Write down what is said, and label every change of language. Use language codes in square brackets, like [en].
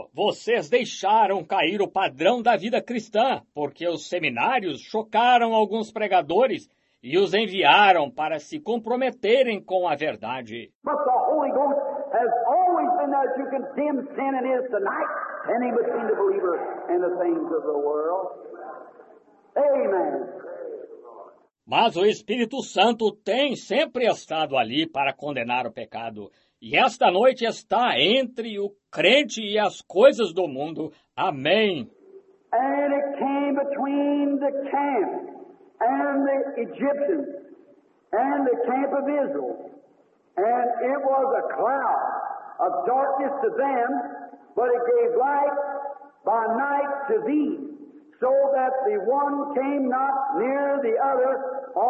[pt] Vocês deixaram cair o padrão da vida cristã, porque os seminários chocaram alguns pregadores e os enviaram para se comprometerem com a verdade. [en] But the Holy Ghost has always been there to condemn sin and is tonight standing between the believer and the things of the world. Amen. [pt] Mas o Espírito Santo tem sempre estado ali para condenar o pecado. E esta noite está entre o crente e as coisas do mundo. Amém. [en] And it came between the camp and the Egyptians and the camp of Israel. And it was a cloud of darkness to them, but it gave light by night to thee, so that the one came not near the other.